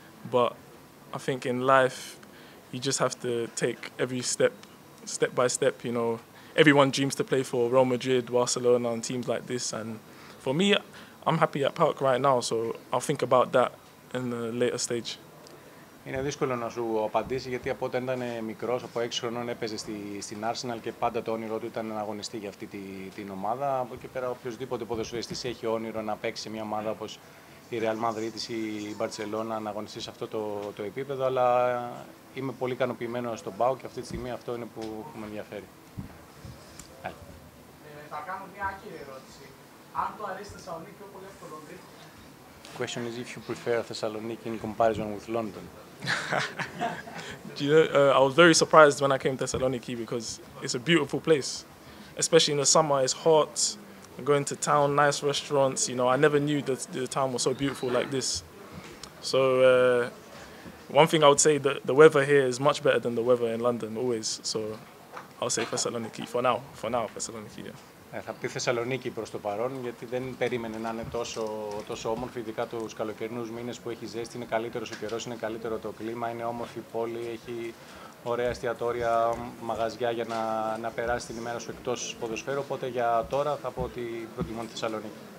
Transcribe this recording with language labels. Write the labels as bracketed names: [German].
[English] But I think in life, you just have to take every step by step, you know. Everyone dreams to play for Real Madrid, Barcelona and teams like this, and for me, I'm happy at PAOK right now, so I'll think about that in the later stage. [Greek] Είναι δύσκολο να σου απαντήσει, γιατί από όταν ήταν μικρός, από 6 χρονών έπαιζε στην Arsenal και πάντα το όνειρό του ήταν να αγωνιστεί για αυτή την ομάδα. Από εκεί πέρα, οποιοδήποτε ποδοσφαιριστής έχει όνειρο να παίξει σε μια ομάδα όπως η Real Madrid ή η Barcelona, να αγωνιστεί σε αυτό το επίπεδο, αλλά είμαι πολύ ικανοποιημένος στον PAOK και αυτή τη στιγμή αυτό είναι που με ενδιαφέρει. Θα κάνω μια άκυρη ερώτηση. [English] The question is if you prefer Thessaloniki in comparison with London. Do you know, I was very surprised when I came to Thessaloniki because it's a beautiful place. Especially in the summer, it's hot, going to town, nice restaurants. You know, I never knew that the town was so beautiful like this. So one thing I would say, that the weather here is much better than the weather in London always. So I'll say Thessaloniki for now, Thessaloniki, yeah. [Greek] Θα πει Θεσσαλονίκη προς το παρόν, γιατί δεν περίμενε να είναι τόσο όμορφη, ειδικά τους καλοκαιρινούς μήνες που έχει ζέστη. Είναι καλύτερος ο καιρός, είναι καλύτερο το κλίμα, είναι όμορφη πόλη, έχει ωραία εστιατόρια, μαγαζιά για να περάσει την ημέρα σου εκτός ποδοσφαίρου. Οπότε για τώρα θα πω ότι προτιμώ τη Θεσσαλονίκη.